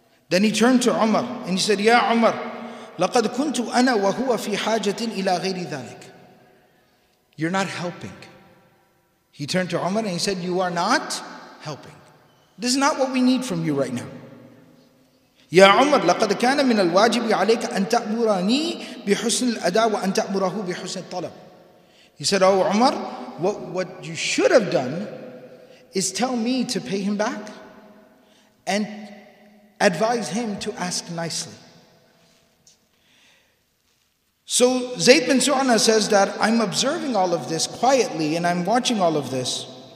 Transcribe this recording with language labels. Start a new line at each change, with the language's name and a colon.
English: Then he turned to Umar and he said,
Arabic: يَا عُمَرْ لَقَدْ كُنْتُ أَنَا وَهُوَ فِي حَاجَةٍ إِلَى غَيْرِ ذَلِكَ
English: You're not helping. He turned to Umar and he said, you are not helping. This is not what we need from you right now.
Arabic: Ya Umar, لقد كان من الواجب عليك أن تأمرني بحسن الأداء وأن تأمره بحسن الطلب.
English: He said, oh Umar, what you should have done is tell me to pay him back and advise him to ask nicely. So Zayd bin Su'ana says that I'm observing all of this quietly and I'm watching all of this.